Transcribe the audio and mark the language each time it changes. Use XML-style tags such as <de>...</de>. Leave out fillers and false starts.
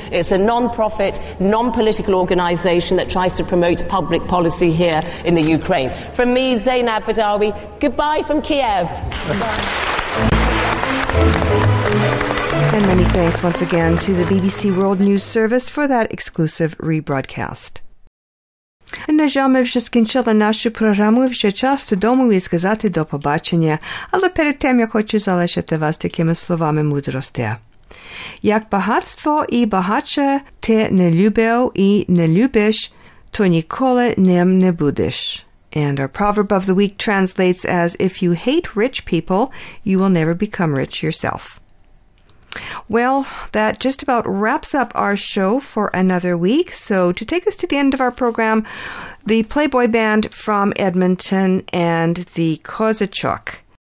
<en>It's a non-profit, non-political organisation that tries to promote public policy here in the Ukraine. From me, Zainab Badawi, goodbye from Kiev. And many thanks once again to the BBC World News Service for that exclusive rebroadcast.</en> <uk>На жаль, вже скінчили нашу програму, вже час додому і сказати до побачення. Але перед тим я хочу залишити вас такими словами мудрості. Як багатство і багаче ти не любив і не любиш, то ніколи ним не будеш.</uk> <en>And our proverb of the week translates as, if you hate rich people, you will never become rich yourself. Well, that just about wraps up our show for another week. So to take us to the end of our program, the Playboy Band from Edmonton and the Kozachuk.</en>